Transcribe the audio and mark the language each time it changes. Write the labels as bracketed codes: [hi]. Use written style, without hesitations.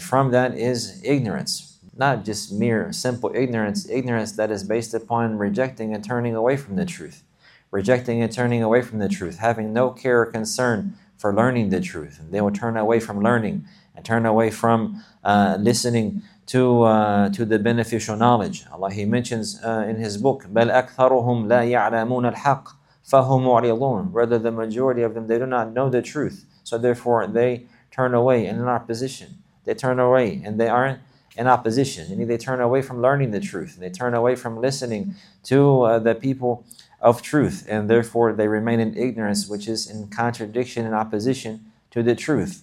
[en] From that is ignorance. Not just mere simple ignorance. Ignorance that is based upon rejecting and turning away from the truth. Rejecting and turning away from the truth. Having no care or concern for learning the truth. They will turn away from learning and turn away from listening to the beneficial knowledge. Allah, He mentions in His book, [ar] بَلْ أَكْثَرُهُمْ لَا يَعْلَمُونَ الْحَقِّ فَهُمْ مُعْرِضُونَ. [en] Rather, the majority of them, they do not know the truth. So therefore, they turn away and in opposition. They turn away and they aren't in opposition. And they turn away from learning the truth. They turn away from listening to the people of truth. And therefore, they remain in ignorance, which is in contradiction and opposition to the truth.